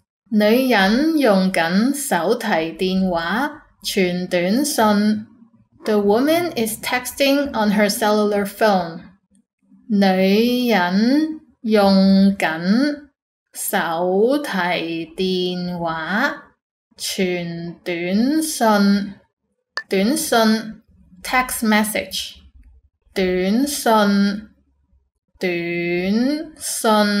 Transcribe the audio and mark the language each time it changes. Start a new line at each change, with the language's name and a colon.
Cantonese: 女人用紧手提电话传短信
English: The woman is texting on her cellular phone
Cantonese: 女人用紧手提电话传短信短信 text message 短信短信